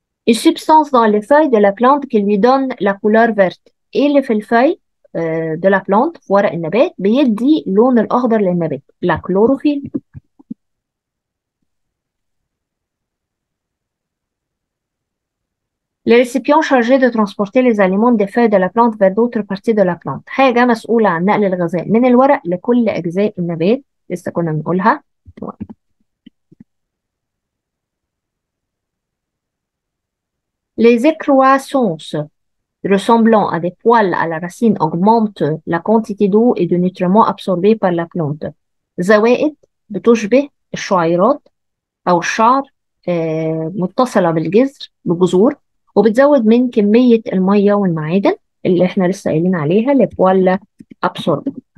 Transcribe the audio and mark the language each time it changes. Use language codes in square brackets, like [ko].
[fr] une substance dans les feuilles de la plante qui lui donne la couleur verte. [ar] ايه اللي في الفي [fr] de la plante [ar] في ورق النبات بيدي لون الأخضر للنبات؟ [fr] la chlorophyll. le récipient chargé de transporter les aliments des feuilles de la plante vers d'autres parties de la plante، [ar] حاجة مسؤولة عن نقل الغذاء من الورق لكل أجزاء النبات، لسه كنا بنقولها. [fr] les excroissances ressemblant à des poils à la racine augmente la quantité d'eau et de nutriments absorbés par la plante. [ar] زوائد بتشبه الشعيرات أو الشعر متصلة بالجذر بالجذور، وبتزود من كمية المية والمعادن اللي احنا لسه قايلين عليها [fr] les poils absorbés.